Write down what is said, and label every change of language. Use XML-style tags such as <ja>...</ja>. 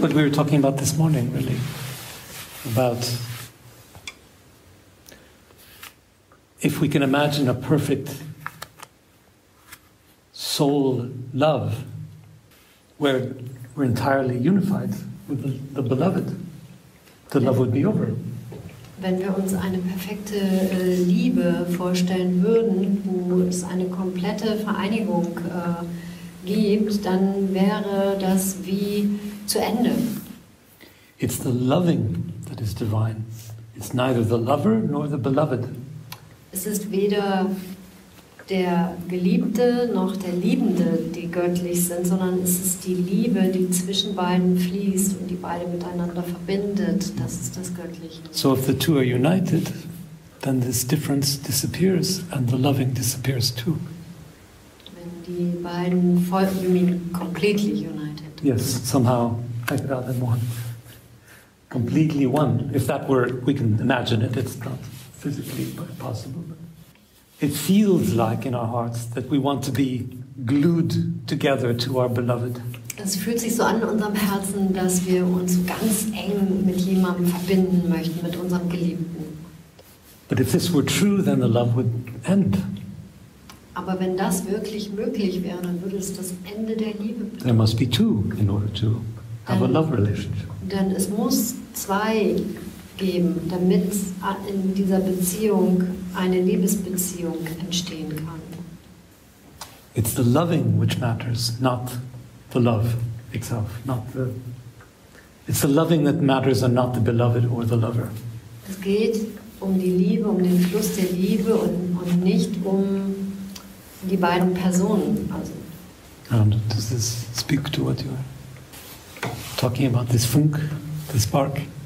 <en>But we were talking about this morning, really. About if we can imagine a perfect soul love where we're entirely unified with the beloved. The love would be over.</en> <de>Wenn wir uns eine perfekte Liebe vorstellen würden, wo es eine komplette Vereinigung gibt, dann wäre das wie zu Ende.</de> <en>It's the loving that is divine. It's neither the lover nor the beloved.</en> <de>Es ist weder der Geliebte noch der Liebende, die göttlich sind, sondern es ist die Liebe, die zwischen beiden fließt und die beide miteinander verbindet. Das ist das Göttliche.</de> <en>So if the two are united, then this difference disappears and the loving disappears too.</en> <de>Wenn die beiden voll,</de> <en>you mean completely united? Yes, somehow than one. Completely one. If that were, we can imagine it. It's not physically possible. But it feels like in our hearts that we want to be glued together to our beloved.</en> <de>Es fühlt sich so an in unserem Herzen, dass wir uns ganz eng mit jemandem verbinden möchten, mit unserem Geliebten.</de> <en>But if this were true, then the love would end.</en> <de>Aber wenn das wirklich möglich wäre, dann würde es das Ende der Liebe bedeuten.</de> <en>There must be two in order to have a love relationship.</en> <de>Denn es muss zwei geben, damit in dieser Beziehung eine Liebesbeziehung entstehen kann.</de> <en>It's the loving which matters, not the love itself, it's the loving that matters and not the beloved or the lover.</en> <de>Es geht um die Liebe, um den Fluss der Liebe und nicht um die beiden Personen.</de> <en>And does this speak to what you are talking about, this funk, this spark?</en>